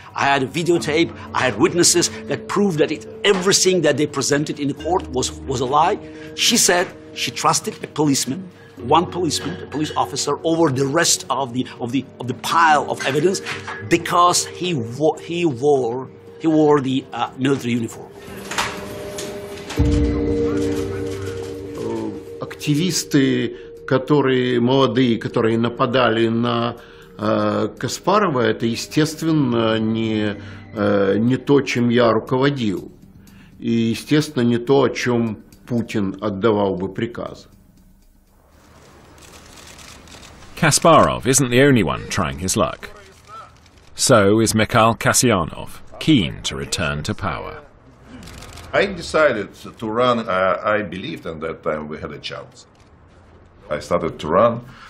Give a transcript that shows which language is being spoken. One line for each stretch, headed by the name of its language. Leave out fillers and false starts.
English: I had a videotape, I had witnesses that proved that everything that they presented in the court was a lie. She said she trusted a policeman, one policeman, a police officer, over the rest of the pile of evidence because he wore the military uniform.
Russian: Активисты, которые молодые, которые нападали на Каспарова, это, естественно, не то, чем я руководил. И, естественно, не то, о чем Путин отдавал бы приказы.
English: Kasparov isn't the only one trying his luck. So is Mikhail Kasyanov, keen to return to power. I decided to run. I believed at that time we had a chance. I started to run.